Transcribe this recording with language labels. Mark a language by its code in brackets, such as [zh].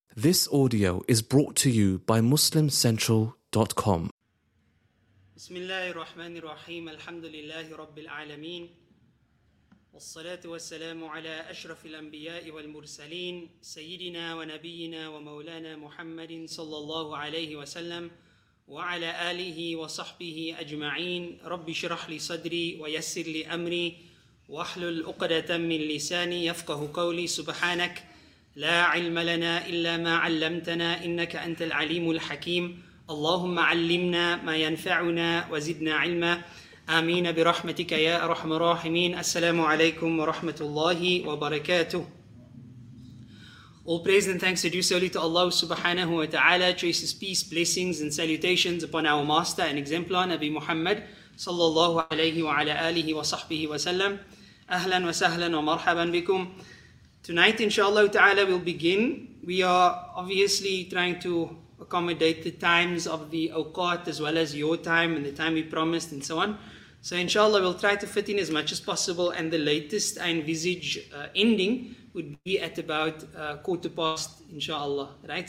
[en] This audio is brought to you by MuslimCentral.com. [ar] بسم الله الرحمن الرحيم الحمد لله رب العالمين والصلاة والسلام على أشرف الأنبياء والمرسلين سيدنا ونبينا ومولانا محمد صلى الله عليه وسلم وعلى آله وصحبه أجمعين رب اشرح لي صدري ويسر لي أمري واحلل عقدة من لساني يفقه قولي سبحانك لا علم لنا إلا ما علمتنا إنك أنت العليم الحكيم اللهم علمنا ما ينفعنا وزدنا علما آمين برحمتك يا أرحم الراحمين السلام عليكم ورحمة الله وبركاته [en] All praise and thanks are due solely to Allah subhanahu wa ta'ala traces peace, blessings and salutations upon our master and exemplar Nabi Muhammad sallallahu alayhi wa ala alihi wa sahbihi wa sallam [ar] Ahlan wa sahlan wa marhaban bikum [en] Tonight, inshallah ta'ala, we'll begin. We are obviously trying to accommodate the times of the awqat as well as your time and the time we promised and so on. So inshallah, we'll try to fit in as much as possible. And the latest I envisage ending would be at about 4:15, inshallah. Right?